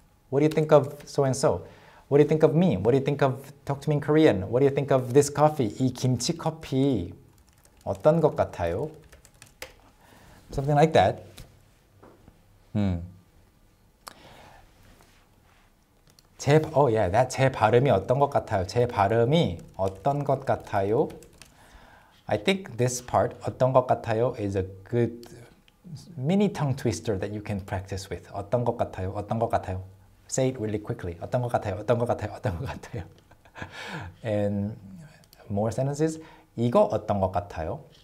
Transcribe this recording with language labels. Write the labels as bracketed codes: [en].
[en] What do you think of so-and-so? What do you think of me? What do you think of Talk to Me in Korean? What do you think of this coffee? [ko] 이 김치 커피 어떤 것 같아요? [en] Something like that. [ko] That 제 발음이 어떤 것 같아요? 제 발음이 어떤 것 같아요? [en] I think this part, [ko] 어떤 것 같아요, [en] is a good mini tongue twister that you can practice with. [ko] 어떤 것 같아요? 어떤 것 같아요? [en] Say it really quickly. [ko] 어떤 것 같아요? 어떤 것 같아요? 어떤 것 같아요? [en] And more sentences. [ko] 이거 어떤 것 같아요?